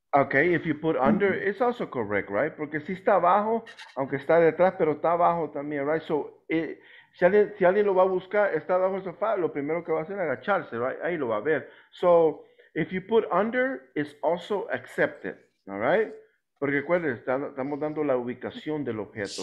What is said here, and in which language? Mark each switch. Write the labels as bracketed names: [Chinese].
[English] Okay, if you put under, it's also correct, right? [Spanish] Porque si está abajo, aunque está detrás, pero está abajo también, right? So, si alguien lo va a buscar, está abajo el sofá, lo primero que va a hacer es agacharse, right? Ahí lo va a ver. [English] So, if you put under, it's also accepted, all right? [Spanish] Porque recuerden, estamos dando la ubicación del objeto.